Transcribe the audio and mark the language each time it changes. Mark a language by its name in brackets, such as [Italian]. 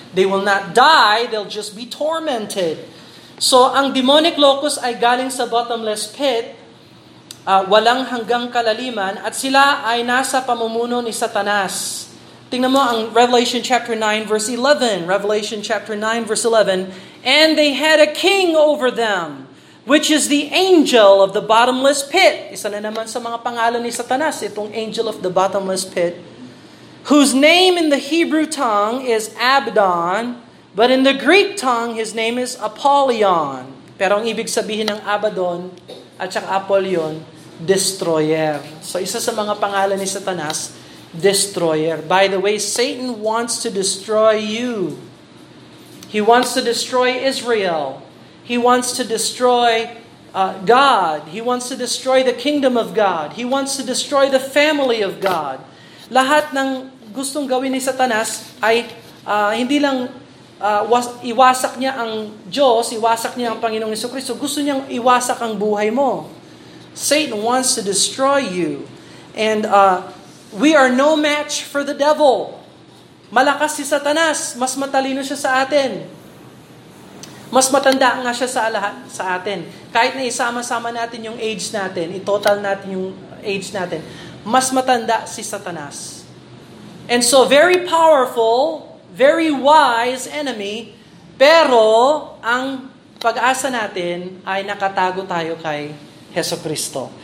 [English] They will not die, they'll just be tormented. [Filipino] So ang [English] demonic locust [Filipino] ay galing sa [English] bottomless pit, [Filipino] walang hanggang kalaliman, at sila ay nasa pamumuno ni Satanas. Tingnan mo ang [English] Revelation chapter 9 verse 11. Revelation chapter 9 verse 11. And they had a king over them, which is the angel of the bottomless pit. [Filipino] Isa na naman sa mga pangalan ni Satanas, itong [English] angel of the bottomless pit, whose name in the Hebrew tongue is Abaddon, but in the Greek tongue, his name is Apollyon. [Filipino] Pero ang ibig sabihin ng Abaddon at saka Apollyon, destroyer. So isa sa mga pangalan ni Satanas, destroyer. [English] By the way, Satan wants to destroy you. He wants to destroy Israel. He wants to destroy God. He wants to destroy the kingdom of God. He wants to destroy the family of God. [Filipino] Lahat ng gustong gawin ni Satanas ay hindi lang iwasak niya ang Diyos, iwasak niya ang Panginoong Jesucristo. Gusto niyang iwasak ang buhay mo. [English] Satan wants to destroy you. And we are no match for the devil. [Filipino] Malakas si Satanas. Mas matalino siya sa atin. Mas matanda nga siya sa lahat sa atin. Kahit na isama-sama natin yung age natin, i-total natin yung age natin, mas matanda si Satanas. [English] And so, very powerful, very wise enemy, [Filipino] pero ang pag-asa natin ay nakatago tayo kay Jesucristo.